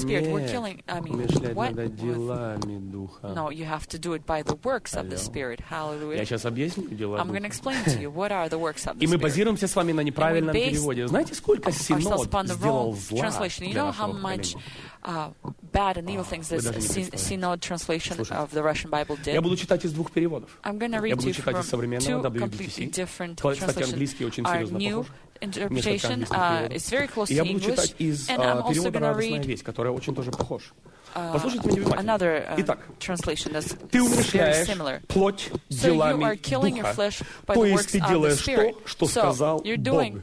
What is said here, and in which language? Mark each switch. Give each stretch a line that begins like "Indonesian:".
Russian: Нет, умерщвлять надо делами Духа.
English: No, you have to do it by the works of the Spirit. Hallelujah.
Russian: Я сейчас объясню дела Духа.
English: I'm going to explain to you what are the works of the Spirit.
Russian: И мы базируемся с вами на неправильном переводе. Знаете, сколько Синод сделал зла для нашего поколения?
English: Bad and evil things this synod translation of the Russian Bible did.
Russian: Я буду читать из двух переводов.
English: I'm going to read to you from two completely different translations. Our new interpretation is very close to English. And I'm also going to read
Russian: который очень тоже похож. Послушайте меня внимательно. Итак,
English: translation that's
Russian: ты умерщвляешь плоть делами Духа, то есть ты делаешь то, что сказал Бог.